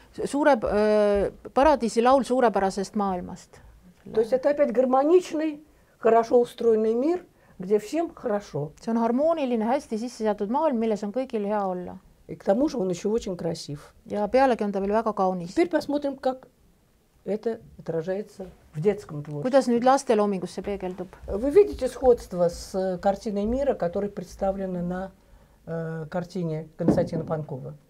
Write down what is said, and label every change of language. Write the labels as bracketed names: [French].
[Estonian] Suure, парадиси лаул suurepärasest maailmast. [Russian] То есть это опять гармоничный, хорошо устроенный мир, где всем хорошо. [Estonian] See on harmooniline, hästi sisse seatud maailm, milles on kõigil hea olla. [Russian] И к тому же он еще очень красив. [Estonian] Ja pealegi on ta veel väga kaunis. [Russian] Теперь посмотрим, как это отражается в детском творчестве. [Estonian] Kuidas nüüd lasteloomingusse peegeldub? [Russian] Вы видите сходство с картиной мира, которая представлена на картине Константина Панкова?